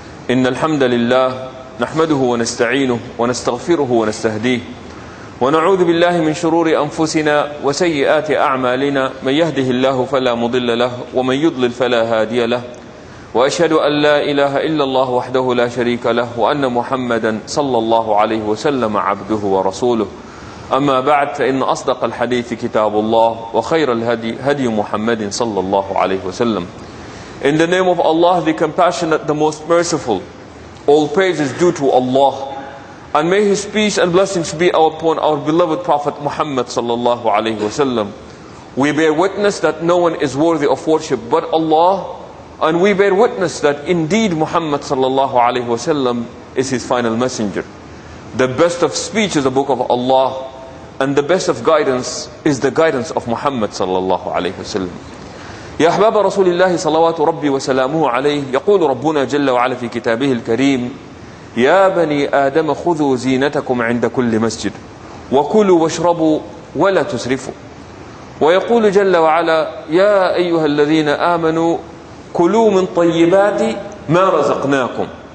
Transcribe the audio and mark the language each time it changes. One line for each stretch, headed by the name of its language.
Arabic: إن الحمد لله، نحمده ونستعينه ونستغفره ونستهديه، ونعوذ بالله من شرور أنفسنا وسيئات أعمالنا، من يهده الله فلا مضل له، ومن يضلل فلا هادي له. وأشهد أن لا إله إلا الله وحده لا شريك له، وأن محمدا صلى الله عليه وسلم عبده ورسوله. أما بعد، فإن أصدق الحديث كتاب الله، وخير الهدي هدي محمد صلى الله عليه وسلم.
English: In the name of Allah, the compassionate, the most merciful, all praise is due to Allah. And may his peace and blessings be upon our beloved Prophet Muhammad sallallahu alaihi wasallam. We bear witness that no one is worthy of worship but Allah, and we bear witness that indeed Muhammad sallallahu alaihi wasallam is his final messenger. The best of speech is the book of Allah, and the best of guidance is the guidance of Muhammad sallallahu alaihi wasallam.
Arabic: يا أحباب رسول الله صلوات ربي وسلامه عليه، يقول ربنا جل وعلا في كتابه الكريم: يا بني آدم خذوا زينتكم عند كل مسجد، وكلوا واشربوا ولا تسرفوا. ويقول جل وعلا: يا أيها الذين آمنوا كلوا من طيبات ما رزقناكم.